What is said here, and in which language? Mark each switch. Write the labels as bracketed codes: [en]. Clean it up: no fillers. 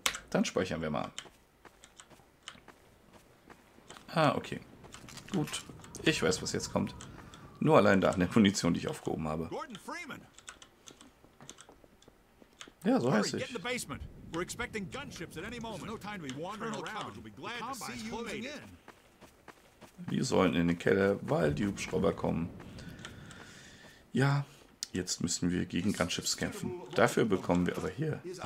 [de] Dann speichern wir mal. Ah, okay. Gut. Ich weiß, was jetzt kommt. Nur allein da an der Munition, die ich aufgehoben habe. Ja, so heiße ich. [en] We're expecting gunships at any moment. No time to be wandering around. We'll be glad to see you made it. [de] Wir sollen in den Keller, weil die Hubschrauber kommen. Ja, jetzt müssen wir gegen Gunships kämpfen. Dafür bekommen wir aber hier.